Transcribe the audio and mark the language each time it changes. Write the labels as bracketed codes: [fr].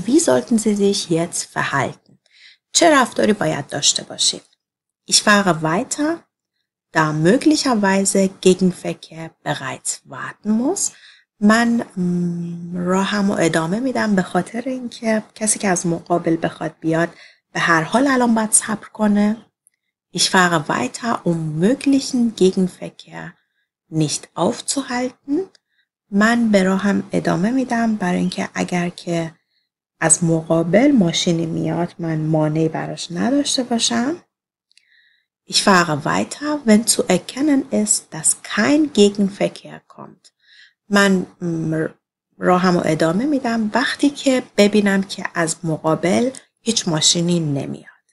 [de] Wie sollten Sie sich jetzt verhalten? [fa] چه رفتاری باید داشته باشید؟ [de] Ich fahre weiter, da möglicherweise Gegenverkehr bereits warten muss. [fa] من راهم رو ادامه میدم به خاطر اینکه کسی که از مقابل بخواد بیاد به هر حال الان باید صبر کنه. [de] Ich fahre weiter, möglichen Gegenverkehr nicht aufzuhalten. [fa] من به راهم ادامه میدم برای اینکه اگر که از مقابل ماشینی میاد من مانعی براش نداشته باشم. [de] Ich fahre weiter, wenn zu erkennen ist, dass kein Gegenverkehr kommt. [fa] من راهم رو ادامه میدم وقتی که ببینم که از مقابل هیچ ماشینی نمیاد.